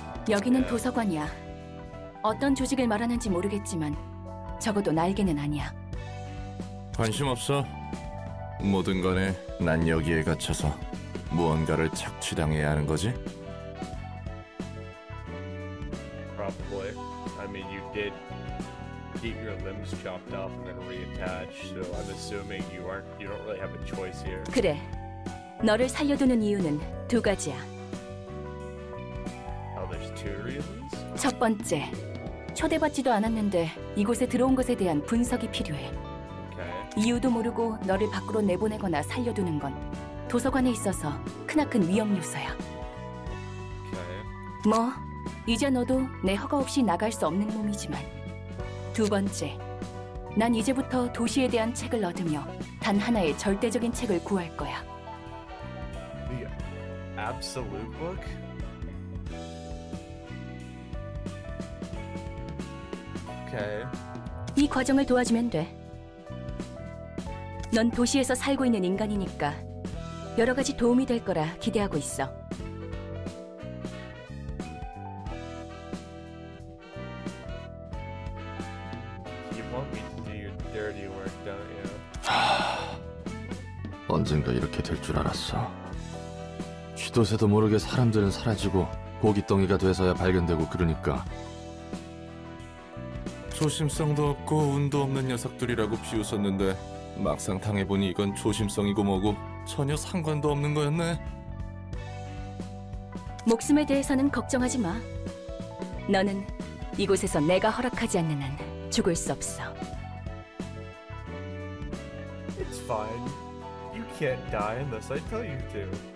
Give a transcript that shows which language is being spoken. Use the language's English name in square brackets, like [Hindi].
[Korean] 여기는 [English] yeah. [Korean] 도서관이야. 어떤 조직을 말하는지 모르겠지만 적어도 날개는 아니야. 관심 없어. 뭐든 간에 난 여기에 갇혀서 무언가를 착취당해야 하는 거지? [English] Probably. I mean, you did get your limbs chopped off and then reattached, so I'm assuming you don't really have a choice here. [Korean] 그래. 너를 살려두는 이유는 두 가지야. [English] Oh, there's two reasons? [Korean] 첫 번째, 초대받지도 않았는데 이곳에 들어온 것에 대한 분석이 필요해. 이유도 모르고 너를 밖으로 내보내거나 살려두는 건 도서관에 있어서 크나큰 위험 요소야. 뭐, 이제 너도 내 허가 없이 나갈 수 없는 몸이지만 두 번째, 난 이제부터 도시에 대한 책을 얻으며 단 하나의 절대적인 책을 구할 거야. [English] The absolute book? Okay. [Korean] 이 과정을 도와주면 돼. 넌 도시에서 살고 있는 인간이니까 여러 가지 도움이 될 거라 기대하고 있어. [English] You want me to do your dirty work, don't you? [Korean] 언젠가 이렇게 될 줄 알았어. 쥐도 새도 모르게 사람들은 사라지고 고깃덩이가 돼서야 발견되고 그러니까. 조심성도 없고 운도 없는 녀석들이라고 비웃었는데 막상 당해보니 이건 조심성이고 뭐고 전혀 상관도 없는 거였네. 목숨에 대해서는 걱정하지 마. 너는 이곳에서 내가 허락하지 않는 한 죽을 수 없어. [English] It's fine. You can't die unless I tell you to.